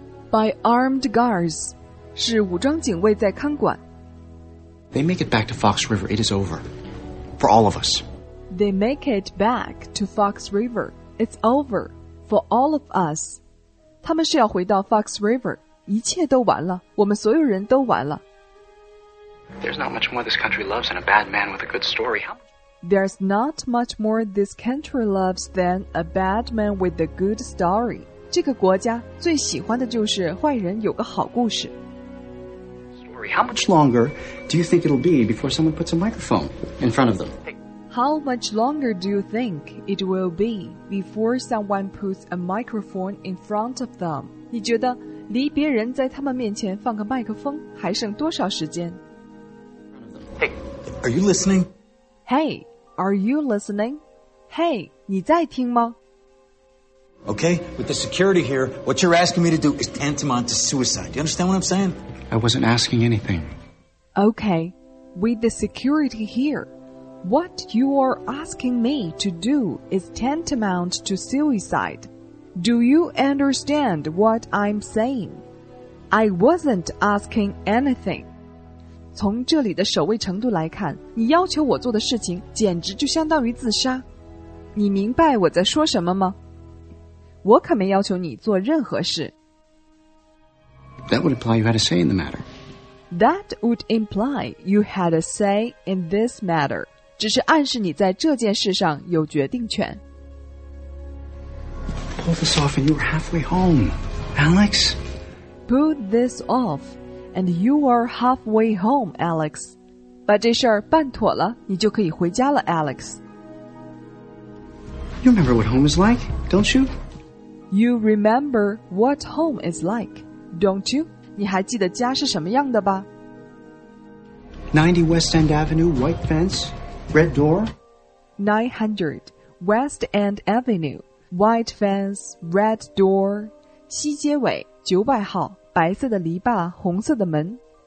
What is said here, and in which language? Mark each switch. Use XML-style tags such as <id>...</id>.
<en>By armed guards.</en> <zh>是武装警卫在看管</zh> <en>They make it back to Fox River. It is over. For all of us. They make it back to Fox River. It's over. For all of us.</en> <zh>他们是要回到 Fox River. 一切都完了。我们所有人都完了。</zh> <en>There's not much more this country loves than a bad man with a good story, huh? There's not much more this country loves than a bad man with a good story.</en> <zh>这个国家最喜欢的就是坏人有个好故事。</zh> <en>How much longer do you think it'll be before someone puts a microphone in front of them? How much longer do you think it will be before someone puts a microphone in front of them?</en> <zh>你觉得离别人在他们面前放个麦克风还剩多少时间</zh> <en>Hey, are you listening? Hey, are you listening? Hey,</en> <zh>你在听吗</zh> <en>Okay, with the security here, what you're asking me to do is tantamount to suicide. Do you understand what I'm saying? I wasn't asking anything. Okay, with the security here, what you are asking me to do is tantamount to suicide. Do you understand what I'm saying? I wasn't asking anything.</en> <zh>从这里的守卫程度来看，你要求我做的事情简直就相当于自杀。你明白我在说什么吗？我可没要求你做任何事。</zh> <en>That would imply you had a say in the matter. That would imply you had a say in this matter.</en> <zh>只是暗示你在这件事上有决定权。</zh> <en>Pull this off and you are halfway home, Alex. Pull this off and you are halfway home, Alex.</en> <zh>把这事儿办妥了，你就可以回家了 ,Alex.</zh> <en>You remember what home is like, don't you? You remember what home is like, don't you?</en> <zh>你还记得家是什么样的吧</zh> <en>?90 West End Avenue, white fence, red door? 900 West End Avenue, white fence, red door.</en> <zh>西街尾900号白色的篱笆红色的门。</zh>